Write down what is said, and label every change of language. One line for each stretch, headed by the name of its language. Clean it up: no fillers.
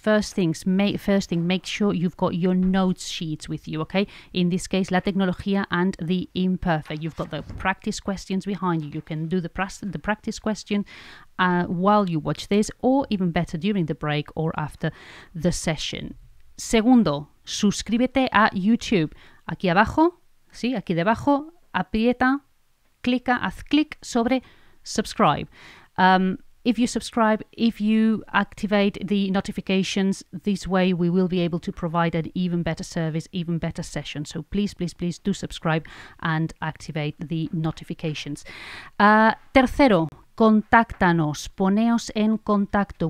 English: First thing, make sure you've got your notes sheets with you, okay? In this case,
Spanish: la tecnología
English: and the imperfect. You've got the practice questions behind you. You can do the practice question while you watch this, or even better, during the break or after the session.
Spanish: Segundo, suscríbete a YouTube. Aquí abajo, sí, aquí debajo, aprieta, clica, haz clic sobre subscribe.
English: If you subscribe, if you activate the notifications, this way we will be able to provide an even better service, even better session. So please do subscribe and activate the notifications.
Spanish: Tercero, contáctanos, poneos en contacto.